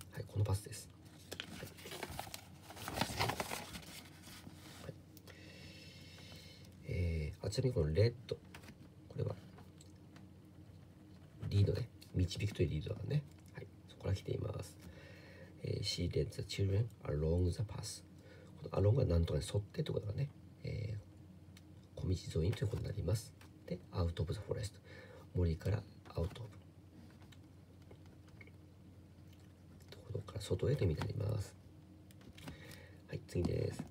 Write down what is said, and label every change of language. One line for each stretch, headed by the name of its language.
Japanese: はい、このパスです、はい、あ、ちなみにこのレッド、これはリードね、導くというリードだね。はい、そこから来ています。
English: She led the children along the path。
Japanese: この along はなんとかに沿ってということがね、小道沿いにということになります。で、
English: out of the forest、
Japanese: 森から out of、外へと見てあります。はい、次です。